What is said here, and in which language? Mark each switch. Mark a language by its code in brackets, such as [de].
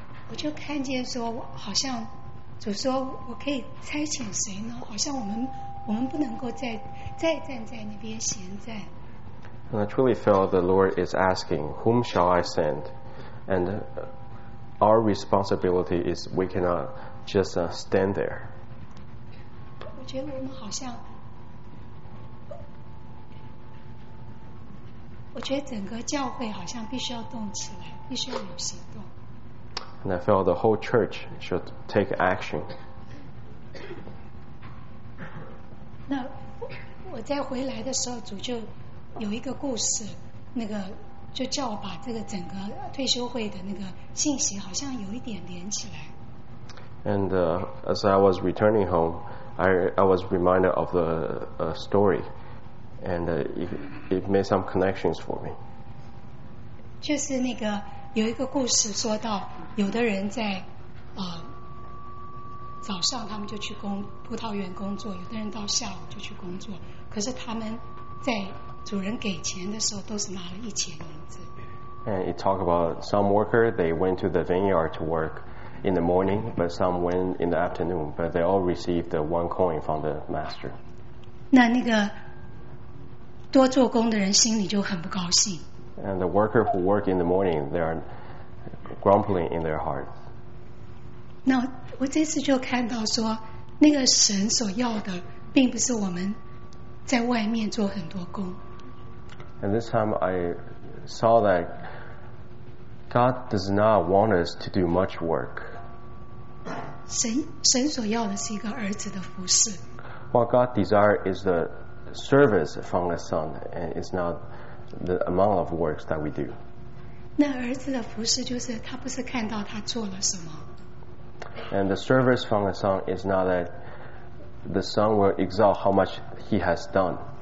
[zh] 我就看见说，好像主说我可以差遣谁呢？好像我们不能够再站在那边闲站。 [en] And I truly felt the Lord is asking, whom shall I send? And our responsibility is we cannot just stand there. [zh] 我觉得我们好像，我觉得整个教会好像必须要动起来，必须要有行动。 [en] And I felt the whole church should take action. [zh] 那我在回来的时候，主就有一个故事，那个就叫我把这个整个退休会的那个信息好像有一点连起来。 [en] And as I was returning home, I was reminded of the story, and it made some connections for me. [zh] 就是那个有一个故事说到，有的人在早上他们就去工葡萄园工作，有的人到下午就去工作，可是他们在主人给钱的时候都是拿了一钱银子。 [en] And it talk about some worker, they went to the vineyard to work in the morning, but some went in the afternoon, but they all received the one coin from the master. [zh] 那那个多做工的人心里就很不高兴。 [en] And the worker who work in the morning, they are grumbling in their heart. [zh] 那我这次就看到说，那个神所要的并不是我们在外面做很多工。 [en] And this time I saw that God does not want us to do much work. [zh] 神所要的是一个儿子的服事。 [en] What God desires is the service from the Son, and it's not the amount of works that we do. [zh] 那儿子的服事就是他不是看到他做了什么。 [en] And the service from the Son is not that the Son will exalt how much he has done.